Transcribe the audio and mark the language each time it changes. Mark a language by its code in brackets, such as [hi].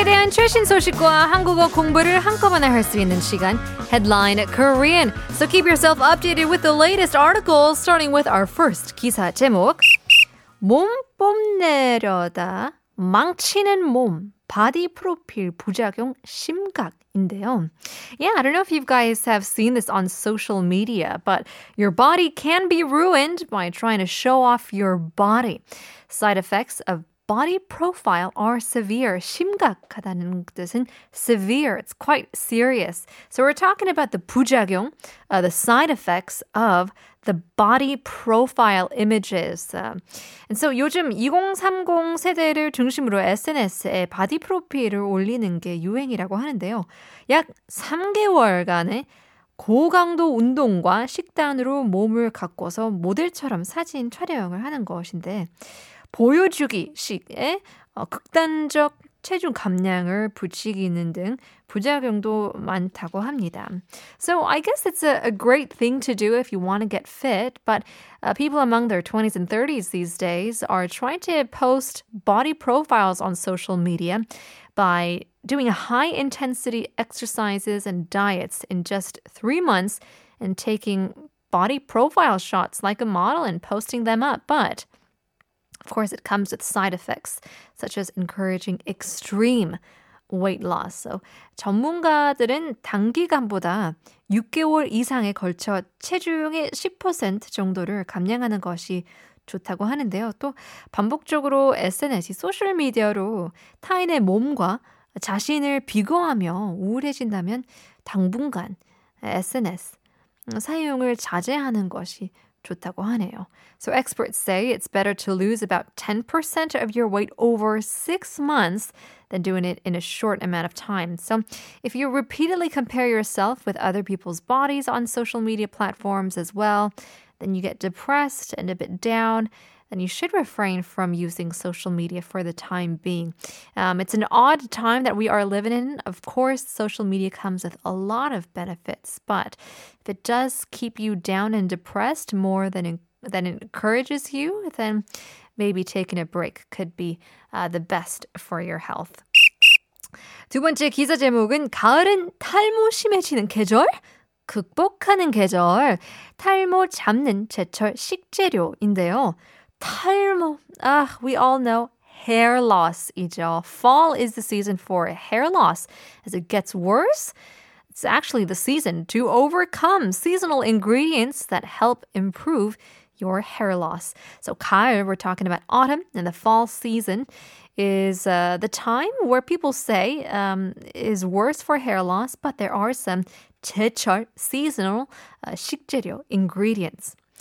[ko] 최신 소식과 한국어 공부를 한꺼번에 할 수 있는 시간, Headline Korean. [en] So keep yourself updated with the latest articles, starting with our first 기사 제목. [ko] 몸 뽐내려다 망치는 몸, 바디 프로필 부작용 심각. 인데요. [en] Yeah, I don't know if you guys have seen this on social media, but your body can be ruined by trying to show off your body. Side effects of body profile are severe. [ko] 심각하다는 뜻은 severe. [en] It's quite serious. So we're talking about the 부작용, the side effects of the body profile images. [ko] And so 요즘 2030 세대를 중심으로 SNS에 바디 프로필을 올리는 게 유행이라고 하는데요. 약 3개월간의 고강도 운동과 식단으로 몸을 가꿔서 모델처럼 사진 촬영을 하는 것인데 보여주기식에 극단적 체중 감량을 부추기는 등 부작용도 많다고 합니다. [en] So I guess it's a great thing to do if you want to get fit, but people among their 20s and 30s these days are trying to post body profiles on social media by doing high-intensity exercises and diets in just 3 months and taking body profile shots like a model and posting them up. But of course, it comes with side effects, such as encouraging extreme weight loss. [ko] So, 전문가들은 단기간보다 6개월 이상에 걸쳐 체중의 10% 정도를 감량하는 것이 좋다고 하는데요. 또 반복적으로 SNS, 소셜미디어로 타인의 몸과 자신을 비교하며 우울해진다면 당분간 SNS 사용을 자제하는 것이 좋다고 하네요. [en] So experts say it's better to lose about 10% of your weight over 6 months than doing it in a short amount of time. So if you repeatedly compare yourself with other people's bodies on social media platforms as well, then you get depressed and a bit down, then you should refrain from using social media for the time being. It's an odd time that we are living in. Of course, social media comes with a lot of benefits, but if it does keep you down and depressed more than it encourages you, then maybe taking a break could be the best for your health. [ko] 두 번째 기사 제목은 가을은 탈모 심해지는 계절? 극복하는 계절, 탈모 잡는 제철 식재료인데요. [en] 탈모, we all know hair loss이죠. Fall is the season for hair loss. As it gets worse, it's actually the season to overcome seasonal ingredients that help improve your hair loss. So 가을, we're talking about autumn, and the fall season is the time where people say is worse for hair loss, but there are some 제철, seasonal 식재료, ingredients.